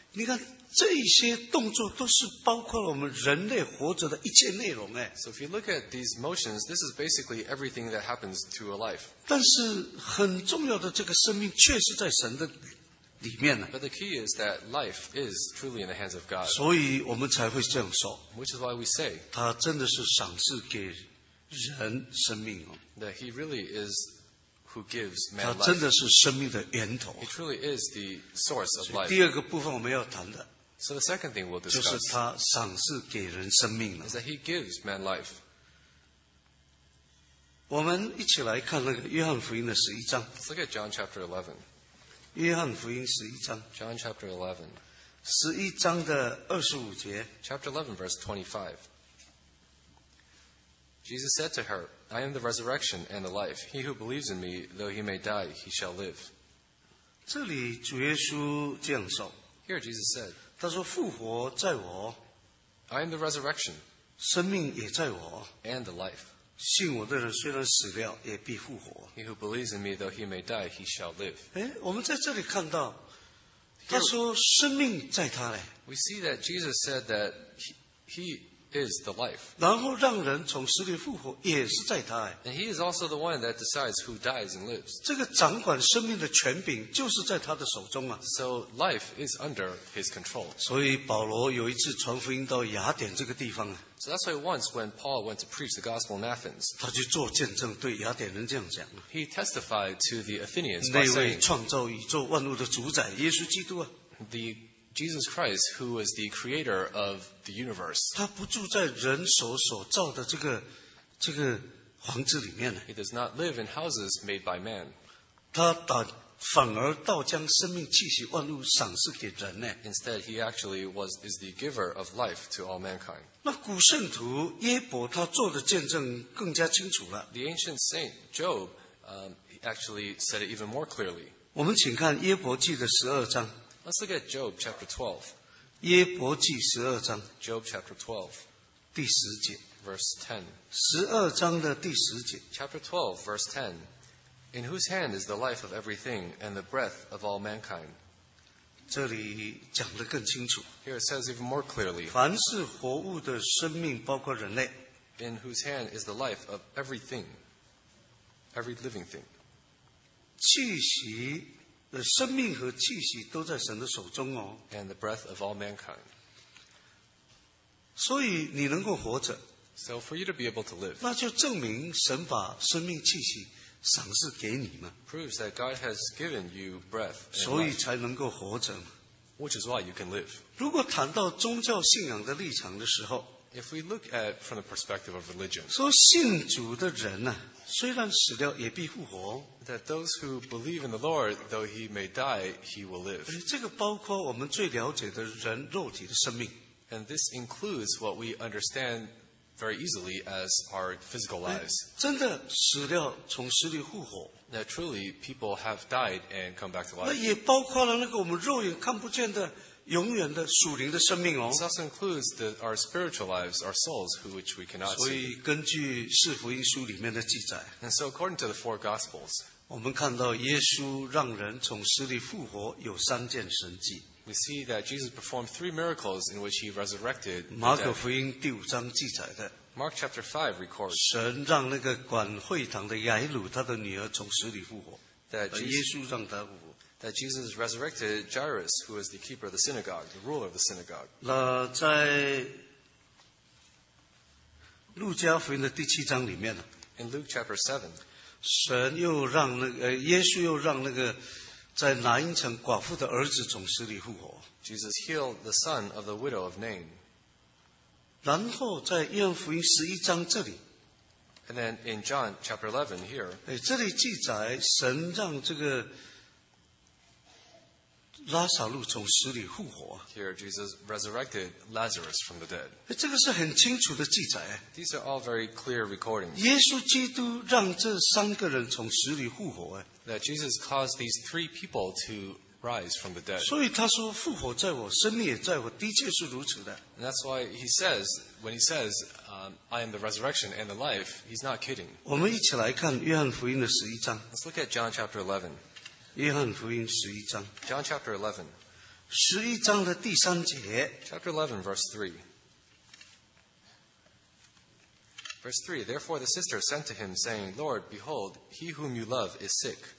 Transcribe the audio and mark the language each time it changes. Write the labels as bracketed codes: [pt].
[zh] 你看这些动作都是包括了我们人类活着的一切内容哎。 [en] So if you look at these motions, this is basically everything that happens to a life. [zh] 但是很重要的这个生命确实在神的里面呢。 [en] But the key is that life is truly in the hands of God. [zh] 所以我们才会这样说。 [en] Which is why we say. [zh] 他真的是赏赐给人生命哦。 [en] That he really is. Who gives man life. [zh] 他真的是生命的源头。 [en] He truly is the source of life. [zh] 第二个部分我们要谈的。 [en] So the second thing we'll discuss. [zh] 就是他赏赐给人生命了。 [en] Is that he gives man life. [zh] 我们一起来看那个约翰福音的十一章。 [en] Let's look at John chapter 11. [zh] 约翰福音十一章。 [en] John chapter 11. [zh] 十一章的二十五节。 [en] Chapter 11 verse 25. Jesus said to her, I am the resurrection and the life. He who believes in me, though he may die, he shall live. [zh] 这里主耶稣这样说。 [en] Here Jesus said, [zh] 他说复活在我。 [en] I am the resurrection. [zh] 生命也在我。 [en] And the life. [zh] 信我的人虽然死了也必复活。 [en] He who believes in me, though he may die, he shall live. [zh] 我们在这里看到，他说生命在他嘞。 [en] We see that Jesus said that he is the life. [zh] 然后让人从死里复活也是在他嘞。 [en] And he is also the one that decides who dies and lives. [zh] 这个掌管生命的权柄就是在他的手中啊。 [en] So life is under his control. [zh] 所以保罗有一次传福音到雅典这个地方啊。 [en] So that's why once when Paul went to preach the gospel in Athens, [zh] 他去做见证对雅典人这样讲。 [en] He testified to the Athenians by saying, [zh] 那位创造宇宙万物的主宰耶稣基督啊。 [en] The Jesus Christ who was the creator of the universe. [zh] 他不住在人手所造的这个房子里面。 [en] He does not live in houses made by man. [zh] 反而倒将生命气息万物赏赐给人呢。 [en] Instead, he actually is the giver of life to all mankind. [zh] 那古圣徒耶伯他做的见证更加清楚了。 [en] The ancient saint Job, actually said it even more clearly. [zh] 我们请看耶伯记的十二章。 [en] Let's look at Job chapter 12. [zh] 耶伯记十二章。 [en] Job chapter 12. [zh] 第十节。 [en] Verse 10. [zh] 十二章的第十节。 [en] Chapter 12, verse 10. In whose hand is the life of everything and the breath of all mankind? [zh] 这里讲得更清楚。 [en] Here it says even more clearly. [zh] 凡是活物的生命包括人类。 [en] In whose hand is the life of everything, every living thing. [zh] 气息的生命和气息都在神的手中哦。 [en] And the breath of all mankind. [zh] 所以你能够活着。 [en] So for you to be able to live. [zh] 那就证明神把生命气息赏赐给你嘛 [en] ，proves that God has given you breath， [zh] 所以才能够活着嘛 [en] ，which is why you can live。 [zh] 如果谈到宗教信仰的立场的时候 [en] ，if we look at from the perspective of religion， [zh] 说信主的人呢、啊，虽然死掉也必复活 [en] ，that those who believe in the Lord， though he may die， he will live。 [zh] 这个包括我们最了解的人肉体的生命 [en] ，and this includes what we understand。 Very easily as our physical lives. [zh] 真的死掉从死里复活。 [en] Now truly, people have died and come back to life. [zh] 那也包括了那个我们肉眼看不见的永远的属灵的生命哦。 [en] This also includes our spiritual lives, our souls, which we cannot see. [zh] 所以根据四福音书里面的记载。 [en] And so according to the four gospels, [zh] 我们看到耶稣让人从死里复活有三件神迹。 [en] We see that Jesus performed three miracles in which he resurrected. [zh] 马可福音第五章记载的。 [en] Mark chapter 5 records. [zh] 神让那个管会堂的雅以鲁他的女儿从死里复活。耶稣让他复活。 [en] That Jesus resurrected Jairus, who was the keeper of the synagogue, the ruler of the synagogue. [zh] 那在路加福音的第七章里面呢 [en] ？In Luke chapter 7. [zh] 神又让那个耶稣又让那个。在拿因城寡妇的儿子从死里复活。 [en] Jesus healed the son of the widow of Nain. [zh] 然后在约翰福音十一章这里。 [en] And then in John chapter 11 here. [zh] 这里记载神让这个拉撒路从死里复活。 [en] Here Jesus resurrected Lazarus from the dead. [zh] 这个是很清楚的记载。 [en] These are all very clear recordings. [zh] 耶稣基督让这三个人从死里复活。 [en] That Jesus caused these three people to rise from the dead. [zh] 所以他说复活在我，生命也在我，的确是如此的。 [en] And that's why he says, when he says, I am the resurrection and the life, he's not kidding. [zh] 我们一起来看约翰福音的十一章。 [en] Let's look at John chapter 11. [zh] 约翰福音十一章。 [en] John chapter 11. [zh] 十一章的第三节。 [en] Chapter 11, verse 3. Verse 3, therefore the sister sent to him, saying, Lord, behold, he whom you love is sick.